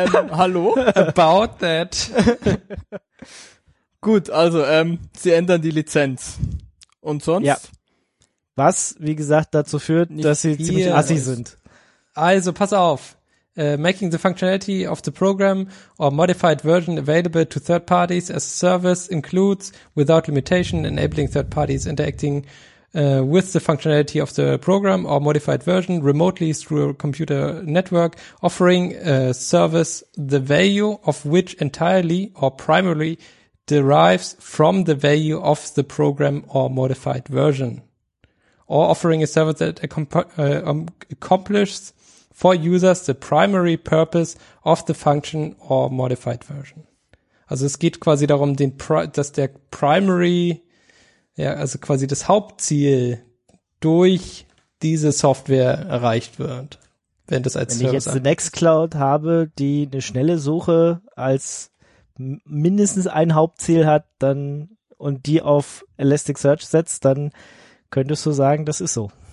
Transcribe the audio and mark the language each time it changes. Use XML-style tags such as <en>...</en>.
<de>Hallo?</de> <en>About that.</en> <de>Gut, also sie ändern die Lizenz. Und sonst? Ja. Was, wie gesagt, dazu führt, nicht dass sie viel, ziemlich assi sind. Also, pass auf.</de> <en>Making the functionality of the program or modified version available to third parties as a service includes, without limitation, enabling third parties interacting with the functionality of the program or modified version remotely through a computer network, offering a service the value of which entirely or primarily derives from the value of the program or modified version. or offering a service that accomplishes for users the primary purpose of the function or modified version.</en> <de>Also es geht quasi darum, dass der primary, ja, also quasi das Hauptziel durch diese Software erreicht wird. Wenn das als Wenn ich jetzt eine Nextcloud habe, die eine schnelle Suche als mindestens ein Hauptziel hat, dann und die auf Elasticsearch setzt, dann könntest du sagen, das ist so.</de>